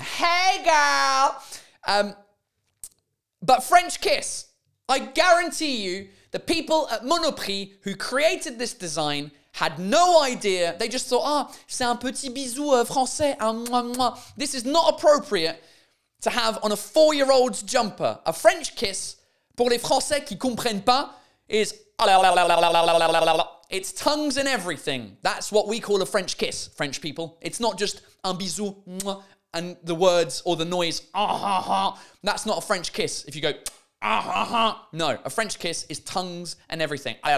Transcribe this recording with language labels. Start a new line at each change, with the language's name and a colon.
English: Hey girl! But French kiss. I guarantee you, the people at Monoprix who created this design had no idea. They just thought,
French: c'est un petit bisou français.
English: This is not appropriate to have on a four-year-old's jumper. A French kiss,
French: pour les Français qui comprennent pas,
English: is... It's tongues and everything. That's what we call a French kiss, French people. It's not just
French: un bisou,
English: and the words or the noise, that's not a French kiss. If you go, no, a French kiss is tongues and everything.